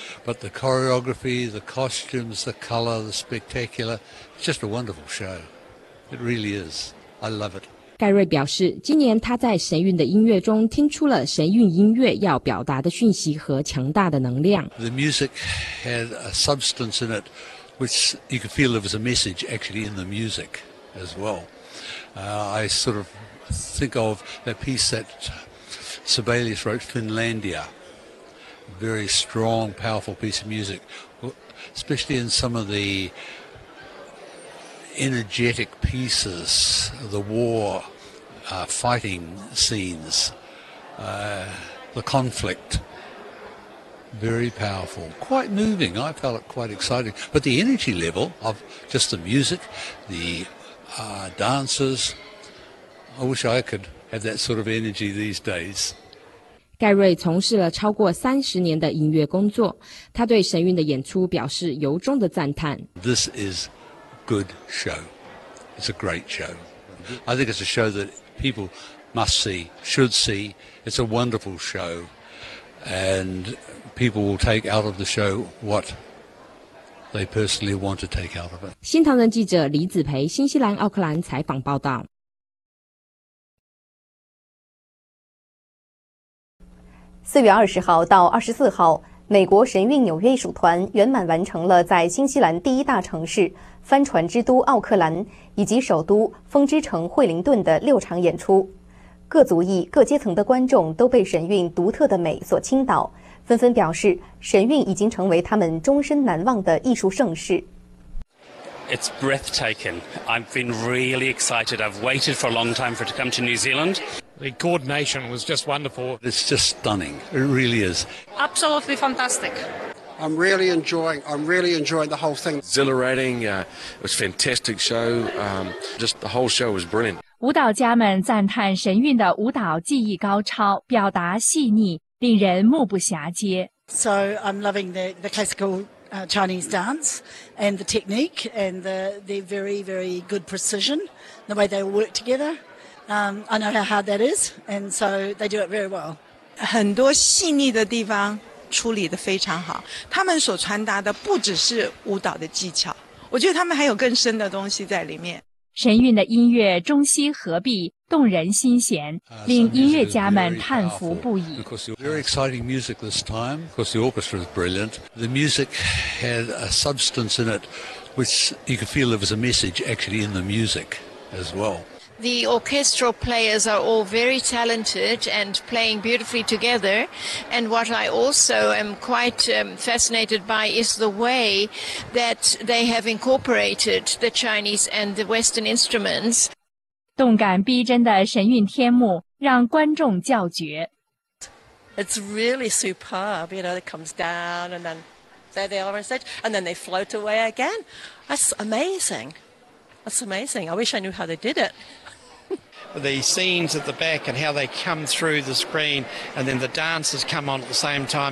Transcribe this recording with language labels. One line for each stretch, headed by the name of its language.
English: But the choreography, the costumes, the color, the spectacular, it's just a wonderful show. It really is. I love it.
Chinese: 盖瑞表示，今年他在神韵的音乐中听出了神韵音乐要表达的讯息和强大的能量。
English: The music had a substance in it, which you could feel there was a message actually in the music. As well. I sort of think of that piece that Sibelius wrote, Finlandia. Very strong, powerful piece of music, especially in some of the energetic pieces, the war, fighting scenes, the conflict. Very powerful, quite moving. I felt it quite exciting. But the energy level of just the music, theDancers. I wish I could have that sort of energy these days.
Chinese: 盖瑞从事了超过30年的音乐工作，他对神韵的演出表示由衷的赞叹。
English: This is good show. It's a great show. I think it's a show that people must see, should see. It's a wonderful show, and people will take out of the show what. They personally want to take out of it.
Chinese: 新唐人记者李子培，新西兰奥克兰采访报道。 4月20日到24日，美国神韵纽约艺术团圆满完成了在新西兰第一大城市帆船之都奥克兰以及首都风之城惠灵顿的6场演出。各族裔、各阶层的观众都被神韵独特的美所倾倒。纷纷表示，神韵已经成为他们终身难忘的艺术盛事。
English: It's breathtaking. I've been really excited. I've waited for a long time for it to come to New Zealand. The coordination was just wonderful. It's just stunning. It really is. Absolutely fantastic. I'm really enjoying the whole thing. Exhilarating. It was a fantastic show. Just the whole show was brilliant.
Chinese: 舞蹈家们赞叹神韵的舞蹈技艺高超，表达细腻。令人目不暇接。
English: So I'm loving the classical Chinese dance and the technique and the very very good precision, the way they work together. I know how hard that is, and so they do it very well.
Chinese: 很多细腻的地方处理得非常好。他们所传达的不只是舞蹈的技巧，我觉得他们还有更深的东西在里面。神韵的音乐中西合璧，动人心弦，令音乐家们叹服不已。
English: Very exciting music this time. Of course, the orchestra is brilliant. The music had a substance in it, which you could feel there was a message actually in the music as well. The orchestral players are all very talented and playing beautifully together. And what I also am quite fascinated by is the way that they have incorporated the Chinese and the Western instruments.
Chinese: 动感逼真的神韵天幕让观众叫绝。
English: It's really superb, you know, it comes down and then there they are on stage and then they float away again. That's amazing. That's amazing. I wish I knew how they did it. The scenes at the back and how they come through the screen and then the dancers come on at the same time.